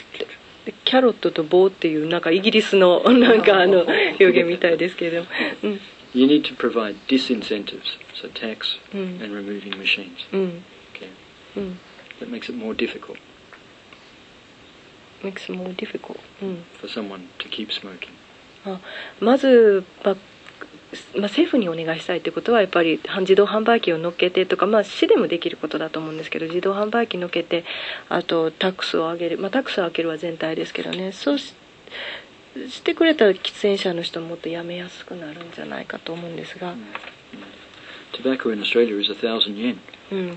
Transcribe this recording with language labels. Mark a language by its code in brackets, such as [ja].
[ja] ってで、キャロットと棒っていうなんかイギリスのなんかあの表現みたいですけれども、 [en] You need to provide disincentives, so tax and removing machines. Okay. That makes it more difficult. Makes it more difficult. For someone to keep smoking. [ja] まず、まあ、政府にお願いしたいということはやっぱり自動販売機を乗っけてとか、まあ、市でもできることだと思うんですけど、自動販売機乗っけて、あとタックスを上げる、まあ、タックスを上げるは全体ですけどね、そう してくれたら喫煙者の人ももっとやめやすくなるんじゃないかと思うんですが、 [en] Tobacco in Australia is 1000 yen.